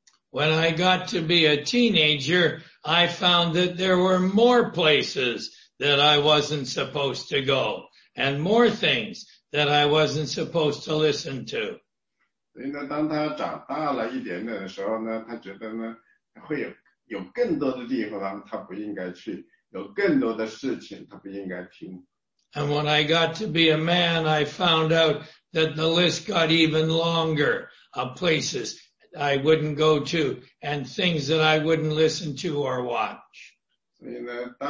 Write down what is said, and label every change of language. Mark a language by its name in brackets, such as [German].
[English] When I got to be a teenager, I found that there were more places that I wasn't supposed to go, and more things that I wasn't supposed to listen to. [Chinese] 所以呢，当他长大了一点点的时候呢，他觉得呢，会有更多的地方他不应该去，有更多的事情他不应该听。 [English] And when I got to be a man, I found out that the list got even longer of places I wouldn't go to and things that I wouldn't listen to or watch.